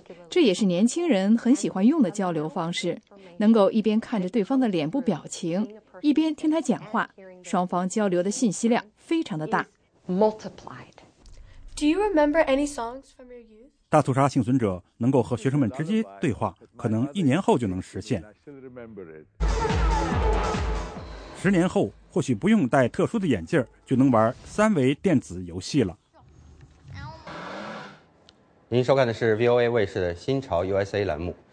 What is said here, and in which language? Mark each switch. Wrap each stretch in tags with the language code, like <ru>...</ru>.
<zh>这也是年轻人很喜欢用的交流方式，能够一边看着对方的脸部表情，一边听他讲话，双方交流的信息量非常的大。</zh> <en>Do you remember any songs from your youth?</en> <zh>大屠杀幸存者能够和学生们直接对话，可能一年后就能实现。十年后，或许不用戴特殊的眼镜就能玩三维电子游戏了。您收看的是 VOA 卫视的新潮 USA 栏目。</zh>